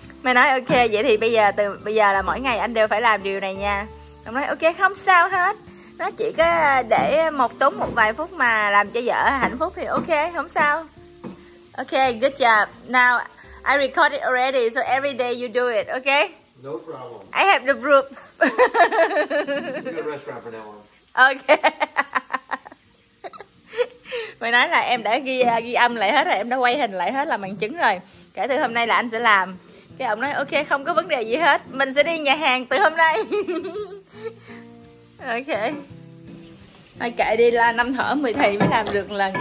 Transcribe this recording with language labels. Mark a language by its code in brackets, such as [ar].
[vi] Mày nói ok, vậy thì bây giờ từ bây giờ là mỗi ngày anh đều phải làm điều này nha. Ông nói ok, không sao hết. Nó chỉ có để một tốn một vài phút mà làm cho vợ hạnh phúc thì ok, không sao. [en] Ok, good job. Now I record it already, so every day you do it, ok? No problem. I have the proof. You can rest around for now on. Ok. [vi] Mày nói là em đã ghi âm lại hết rồi, em đã quay hình lại hết là bằng chứng rồi. Kể từ hôm nay là anh sẽ làm. Cái ông nói ok, không có vấn đề gì hết, mình sẽ đi nhà hàng từ hôm nay. Ok. Thôi kệ đi, là năm thở 10 thì mới làm được lần.